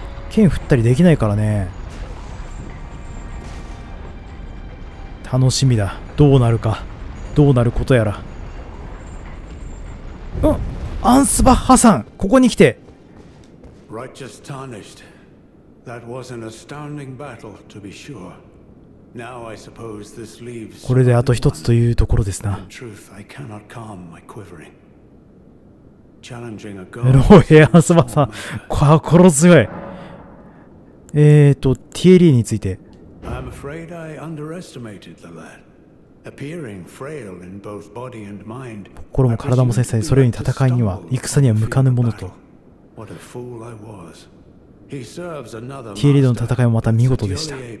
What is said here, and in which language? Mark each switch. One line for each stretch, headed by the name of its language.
Japanese: 剣振ったりできないからね。楽しみだ。どうなるか。どうなることやら。うん、アンスバッハさん、ここに来て。
English: Righteous Tarnished. That was an astounding battle, to be sure. Now I suppose this leaves.
Japanese: これであと一つというところですな。
English: Truth, I cannot calm my quivering. Challenging a god.
Japanese: ロヘアスマさん、心強い。ティエリーについて。
English: I'm afraid I underestimated the lad. Appearing frail in both body and mind.
Japanese: 心も体も繊細で、それに戦いには、戦には向かぬものと。ティエリードの戦いもまた見事でした。